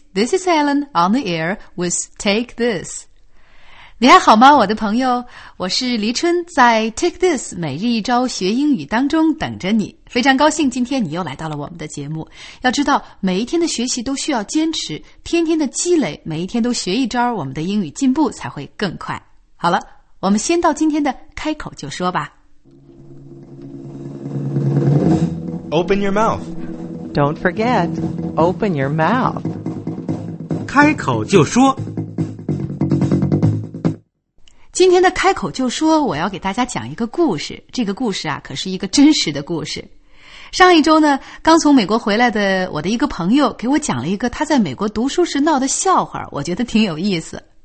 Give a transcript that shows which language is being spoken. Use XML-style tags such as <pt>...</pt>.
<en>This is Ellen on the air with Take This.</en> <zh>你还好吗，我的朋友？我是黎春，在 Take This 每日一招学英语当中等着你。非常高兴今天你又来到了我们的节目。要知道，每一天的学习都需要坚持，天天的积累，每一天都学一招，我们的英语进步才会更快。好了，我们先到今天的开口就说吧。</zh> <en>Open your mouth. Don't forget, open your mouth.</en> <zh>开口就说。今天的开口就说，我要给大家讲一个故事。这个故事啊，可是一个真实的故事。上一周呢，刚从美国回来的我的一个朋友给我讲了一个他在美国读书时闹的笑话，我觉得挺有意思。</zh>